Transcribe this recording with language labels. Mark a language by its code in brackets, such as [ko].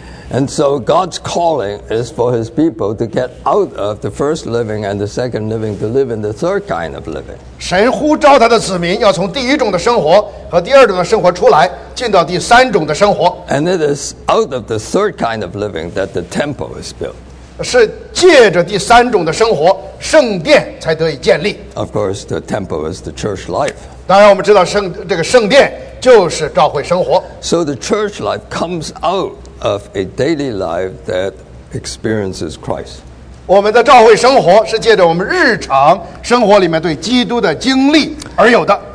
[en] And so God's calling is for his people to get out of the first living and the second living to live in the third kind of living. [zh] 神呼召他的子民要从第一种的生活和第二种的生活出来，进到第三种的生活。 [en] And it is out of the third kind of living that the temple is built. [zh] 是借着第三种的生活，圣殿才得以建立。 [en] Of course, the temple is the church life. [zh] 当然我们知道这个圣殿就是教会生活。 [en] So the church life comes out of a daily life that experiences Christ. [zh] 我们的教会生活是借着我们日常生活里面对基督的经历而有的。